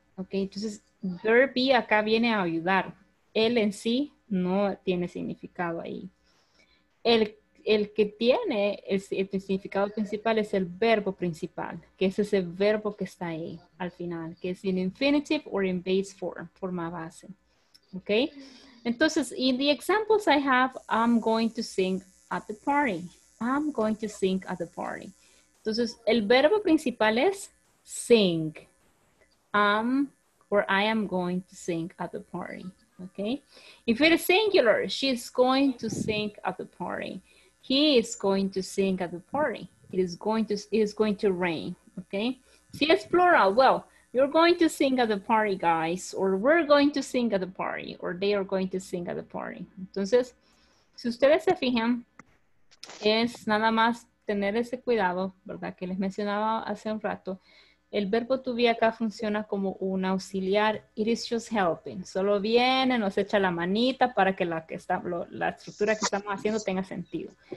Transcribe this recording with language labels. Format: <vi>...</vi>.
<es>Ok, entonces, verb be acá viene a ayudar. Él en sí no tiene significado ahí. El que tiene el significado principal es el verbo principal, que es ese verbo que está ahí al final, que es</es> <en>in infinitive or in base form,</en> <es>forma base. Okay?</es> <en>Entonces, in the examples I have, I'm going to sing at the party. I'm going to sing at the party.</en> <es>Entonces, el verbo principal es sing.</es> <en>I'm or I am going to sing at the party. Okay? If it is singular, she's going to sing at the party. He is going to sing at the party. It is going to rain, okay?</en> <es>Si es plural,</es> <en>well, you're going to sing at the party, guys, or we're going to sing at the party, or they are going to sing at the party.</en> <es>Entonces, si ustedes se fijan, es nada más tener ese cuidado, ¿verdad? Que les mencionaba hace un rato. El verbo to be acá funciona como un auxiliar.</es> <en>It is just helping.</en> <es>Solo viene, nos echa la manita para que la estructura que estamos haciendo tenga sentido.</es>